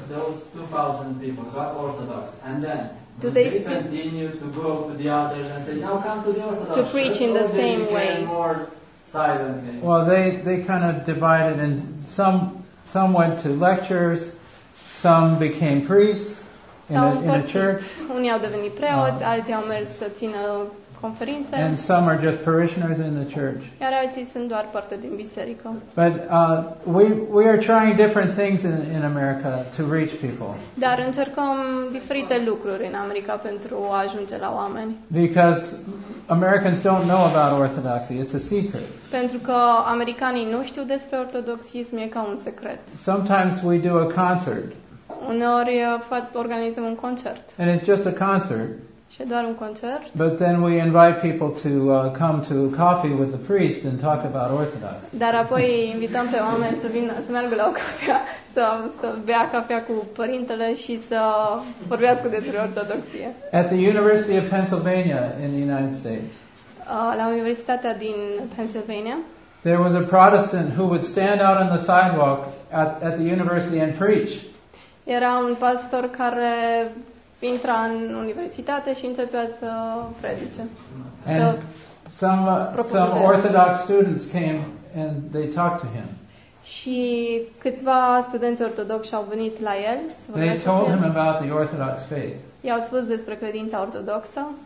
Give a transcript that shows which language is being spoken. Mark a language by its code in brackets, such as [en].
[en] Those 2,000 people got Orthodox, and then do they continue to go to the others and say, now come to the Orthodox? To preach in the same way. More silently. Well, they kind of divided, and some went to lectures, some became priests in a church. [ro] Unii au devenit preoți, alții au mers să țină conferințe. [en] And some are just parishioners in the church. [ro] Iar alții sunt doar parte din biserică. [en] But we are trying different things in America to reach people. [ro] Dar încercăm diferite lucruri în America pentru a ajunge la oameni. [en] Because Americans don't know about orthodoxy. It's a secret. [ro] Pentru că americanii nu știu despre ortodoxism, e ca un secret. [en] Sometimes we do a concert. [ro] Uneori organizăm un concert. [en] And it's just a concert. [ro] Și doar un concert. [en] But then we invite people to come to coffee with the priest and talk about Orthodox. [ro] Dar apoi invităm pe oameni să vină, să meargă la o cafea, să bea cafea cu părintele și să vorbească despre ortodoxie. [en] At the University of Pennsylvania in the United States. [ro] La Universitatea din Pennsylvania. [en] There was a Protestant who would stand out on the sidewalk at the university and preach. [ro] Era un pastor care intra în universitate și începea să predice. [en] And some Orthodox students came and they talked to him. [ro] Și câțiva studenți ortodoxi au venit la el. [en] They told him about the Orthodox faith. [ro] I-au spus despre credința ortodoxă.